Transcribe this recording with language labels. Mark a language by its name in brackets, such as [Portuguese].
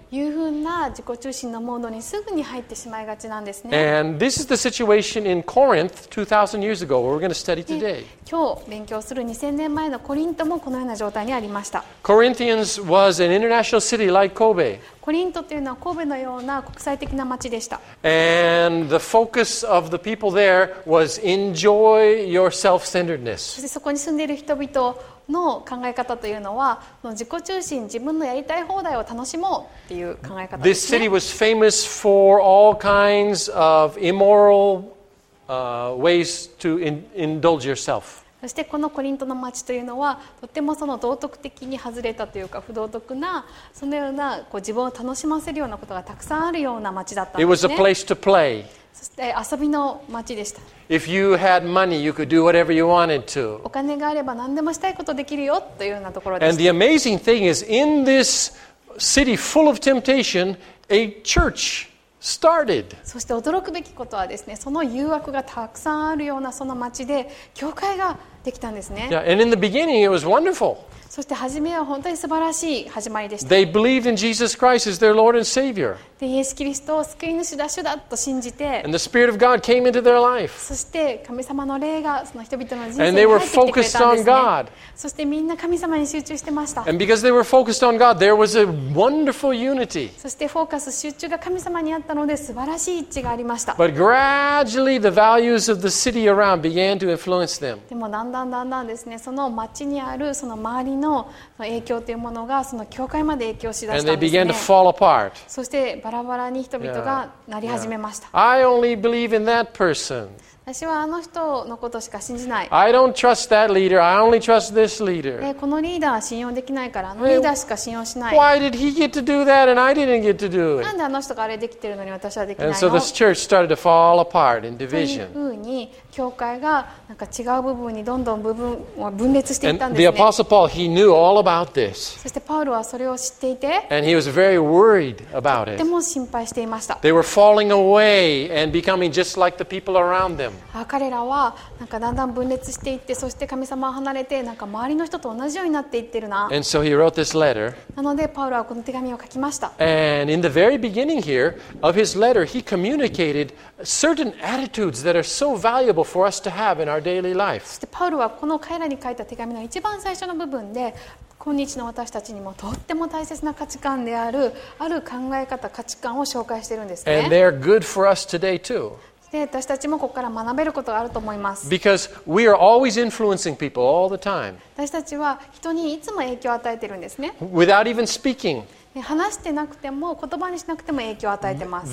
[Japanese] というふうな自己中心のモードにすぐに入ってしまいがちなんですね。 [English] And this is the situation in Corinth 2000 years ago. We're going to study today. [Japanese] 今日勉強する2000年前のコリントもこのような状態にありました。 [English] Corinthians was an international city like Kobe. [Japanese] コリントというのは神戸のような国際的な町でした。 [English] And the focus of the people there was enjoy your self-centeredness. [Japanese] そしてそこに住んでいる人々の考え方というのは、自己中心、自分のやりたい放題を楽しもうっていう考え方ですね。 [English] This city was famous for all kinds of immoral, ways to indulge yourself. [Japanese] そしてこのコリントの町というのはとてもその道徳的に外れたというか不道徳なそのようなこう自分を楽しませるようなことがたくさんあるような町だったんです [English] ね。It was a place to play. [Japanese] そして遊びの町でした。 [English] If you had money, you could do whatever you wanted to. [Japanese] お金があれば何でもしたいことできるよというようなところでした。 [English] And the amazing thing is, in this city full of temptation, a church. Started. [Japanese] そして驚くべきことはですね、その誘惑がたくさんあるようなその町で教会ができたんですね。 [English] Yeah, and in the beginning it was wonderful. [Japanese] そして初めは本当に素晴らしい始まりでした。 [English] They believed in Jesus Christ as their Lord and Savior. [Japanese] でイエス・キリストを救い主だ主だと信じて、 [English] And the Spirit of God came into their life. [Japanese] そして神様の霊がその人々の人生に入ってきてくれたんですね。 [English] And they were focused on God. [Japanese] そしてみんな神様に集中してました。 [English] And because they were focused on God, there was a wonderful unity. [Japanese] そしてフォーカス集中が神様にあったので素晴らしい一致がありました。 [English] But gradually the values of the city around began to influence them. [Japanese] でもだんだんですね、その町にあるその周りの影響というものがその教会まで影響しだしたんですね。そしてバラバラに人々がなり始めました。 [English] I only believe in that person. [Japanese] 私はあの人のことしか信じない。 [English] I don't trust that leader. I only trust this leader. [Japanese] このリーダーは信用できないからあのリーダーしか信用しない。 [English] Why did he get to do that and I didn't get to do it? [Japanese] なんであの人があれできてるのに私はできないの？ [English] And so this church started to fall apart in division. [Japanese] というふうに教会がなんか違う部分にどんどん部分を分裂していったんですね。 [English] And the Apostle Paul, he knew all about this. [Japanese] そしてパウロはそれを知っていて、 [English] And he was very worried about it. [Japanese] とても心配していました。 [English] They were falling away and becoming just like the people around them. [Japanese] 彼らはなんかだんだん分裂していって、そして神様を離れて、なんか周りの人と同じようになっていってるな。 [English] And so he wrote this letter. [Japanese] なのでパウロはこの手紙を書きました。 [English] And in the very beginning here of his letter, he communicated certain attitudes that are so valuable. For us to have in our daily life. [Japanese] そしてパウロはこの彼らに書いた手紙の一番最初の部分で今日の私たちにもとっても大切な価値観であるある考え方価値観を紹介しているんですね。 [English] And they're good for us today too. [Japanese] で私たちもここから学べることがあると思います。 [English] Because we are always influencing people all the time. [Japanese] 私たちは人にいつも影響を与えているんですね。 [English] Without even speaking. [Japanese] 話してなくても言葉にしなくても影響を与えています。